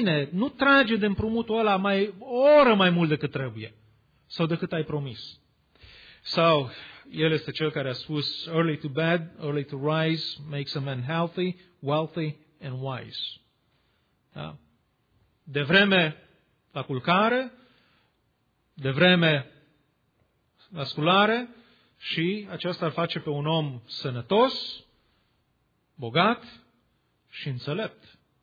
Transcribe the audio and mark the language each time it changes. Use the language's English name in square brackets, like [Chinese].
[Romanian] Nu trage de împrumutul ăla mai o oră mai mult decât trebuie. Sau decât ai promis. Sau, el este cel care a spus, [English] early to bed, early to rise, makes a man healthy, wealthy and wise. [Romanian] Da? De vreme la culcare, de vreme la sculare și aceasta îl face pe un om sănătos, bogat și înțelept.